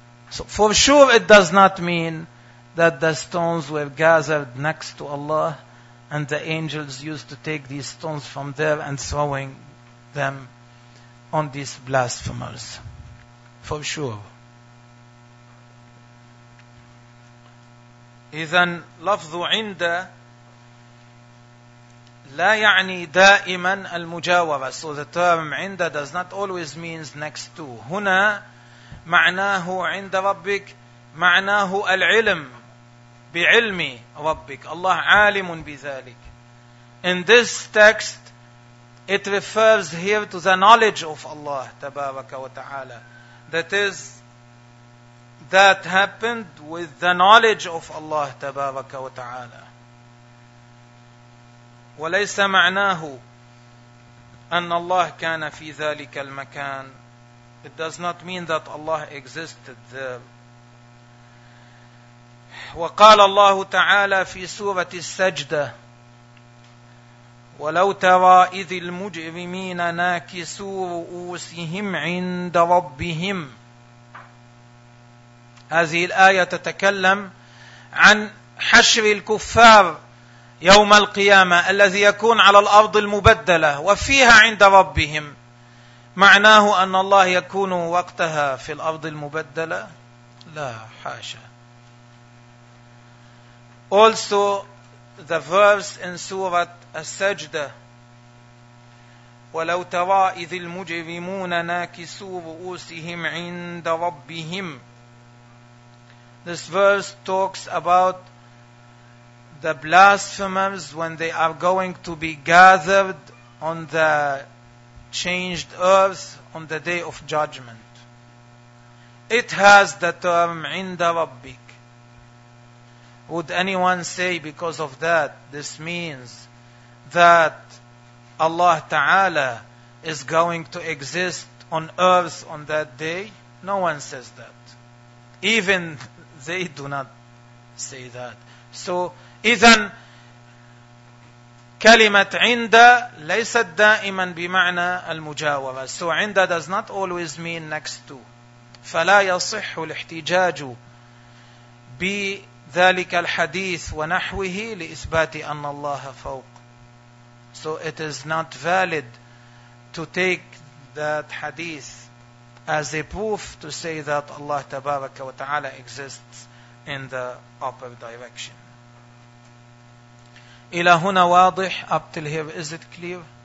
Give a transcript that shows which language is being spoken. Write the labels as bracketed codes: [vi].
[en] So for sure it does not mean that the stones were gathered next to Allah and the angels used to take these stones from there and throwing them on these blasphemers. For sure. [ar] إذن لفظ عند لا يعني دائما المجاورة. [en] So the term عند does not always mean next to. [ar] هنا معناه عند ربك معناه العلم بعلم ربك. الله عالم بذلك. [en] In this text, it refers here to the knowledge of Allah تبارك وتعالى. That is, that happened with the knowledge of Allah تبارك وتعالى. [ar] وليس معناه أن الله كان في ذلك المكان. [en] It does not mean that Allah existed there. [ar] وقال الله تعالى في سورة السجدة ولو ترى إذ المجرمين ناكسوا رؤوسهم عند ربهم. هذه الآية تتكلم عن حشر الكفار يوم القيامة الذي يكون على الأرض المبدلة وفيها عند ربهم. معناه أن الله يكون وقتها في الأرض المبدلة؟ لا حاشا. [en] Also, the verse in [ar] سورة السجدة ولو ترى إذ المجرمون ناكسوا رؤوسهم عند ربهم. [en] This verse talks about the blasphemers when they are going to be gathered on the changed earth on the day of judgment. It has the term [ar] عِنْدَ رَبِّك. [en] Would anyone say because of that, this means that Allah Ta'ala is going to exist on earth on that day? No one says that. Even they do not say that. [ar] So, إذن كلمة عند ليست دائما بمعنى المجاورة. [en] So, عند does not always mean next to. [ar] فلا يصح الاحتجاج بذلك الحديث ونحوه لإثبات أن الله فوق. [en] So, it is not valid to take that hadith as a proof to say that Allah Tabaraka wa Ta'ala exists in the upper direction. [ar] إلى هنا واضح. [en] Up till here, is it clear?